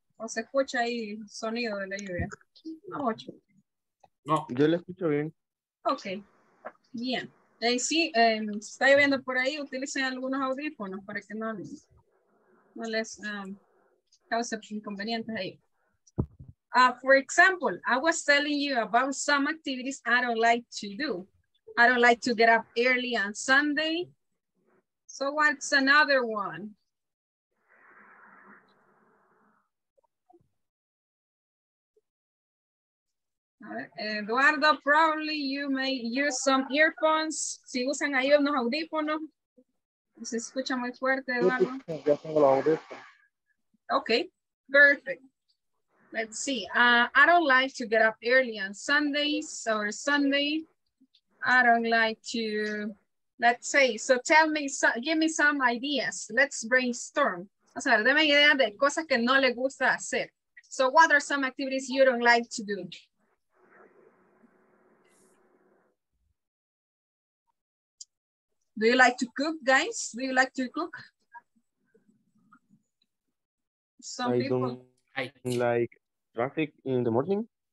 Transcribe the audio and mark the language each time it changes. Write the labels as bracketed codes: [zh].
[es] ¿O se escucha ahí el sonido de la lluvia? No mucho. No, yo lo escucho bien. Ok, bien. Sí, si está lloviendo por ahí, utilicen algunos audífonos para que no les cause inconvenientes ahí. [en] For example, I was telling you about some activities I don't like to do. I don't like to get up early on Sunday. So what's another one? Eduardo, probably you may use some earphones. [es] Si usan ahí unos audífonos. Se escucha muy fuerte, Eduardo. Yo tengo los audífonos. [en] Okay, perfect. Let's see. I don't like to get up early on Sundays or Sunday. I don't like to, let's say, so tell me, so, give me some ideas. Let's brainstorm. [es] O sea, deme idea de cosas que no le gusta hacer. [en] So what are some activities you don't like to do? Do you like to cook, guys? Do you like to cook? Some I people. I don't like traffic in the morning.